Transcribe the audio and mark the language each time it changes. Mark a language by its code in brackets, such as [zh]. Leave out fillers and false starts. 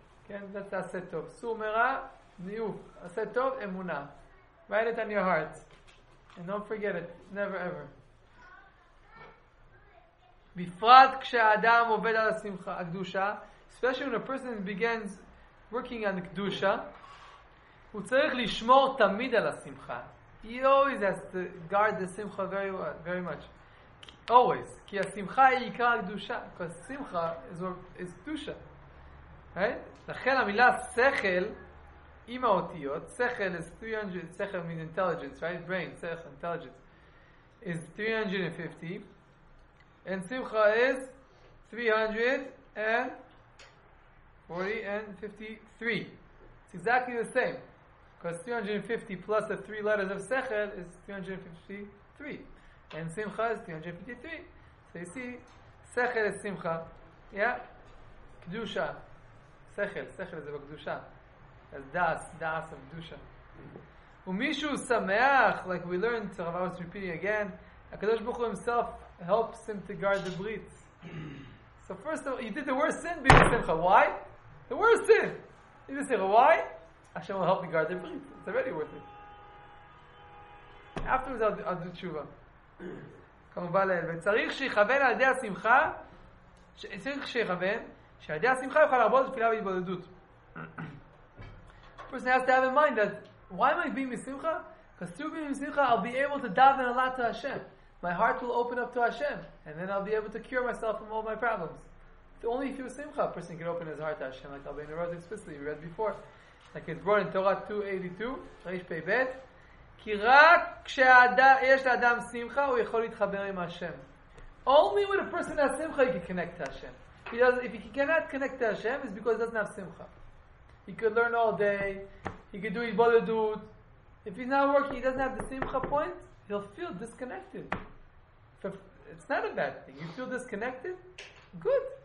[en] Okay, that's aseh tov. Sur mera, new. Aseh tov, emunah. Write it on your heart. And don't forget it. Never ever. [he] Bifrat kshe'adam oved al simcha, akdusha. [en] Especially when a person begins working on kdusha. [he] הוא צריך לשמור תמיד על השמחה. [en] He always has to guard the simcha very, very much. Always. [he] כי השמחה היא עיקר הקדושה. [en] Because simcha is קדושה. Right? [he] לכן המילה שכל, עם האותיות, [en] שכל is 300, שכל means intelligence, right? Brain, שכל, intelligence, is 350. And simcha is 343. It's exactly the same. Because 350 plus the three letters of Sechel is 353. And Simcha is 353. So you see, Sechel is Simcha. Yeah? Kedusha. Sechel. Sechel is about Kedusha. That's Das. Das of Kedusha. [he] ומישהו שמח, [en] like we learned, so Rav was repeating again, HaKadosh Baruch Hu himself helps him to guard the brit. So first of all, you did the worst sin, being simcha. Why? The worst sin. You just say, why? Hashem will help me guard the brit. It's already worth it. Afterwards, I'll do tshuva. כמובן לאל. [he] וצריך שיכוון על ידי השמחה, צריך שיכוון, שעל ידי השמחה יוכל להרבות תפילה והתבודדות. [en] First, I have to have in mind that why am I being misimcha? Because through being misimcha, I'll be able to daven a lot to Hashem. My heart will open up to Hashem. And then I'll be able to cure myself from all my problems. It's only if you're misimcha, a person can open his heart to Hashem. Like Albani wrote explicitly, we read before. Like it's brought in Torah 282, Reish Pei Bet. [he] כי רק כשיש לאדם שמחה, הוא יכול להתחבר עם השם. [en] Only when a person has simcha, he can connect to Hashem. If he cannot connect to Hashem, it's because he doesn't have simcha. He could learn all day, he could do his bodedut. If he's not working, he doesn't have the simcha point, he'll feel disconnected. It's not a bad thing. You feel disconnected? Good.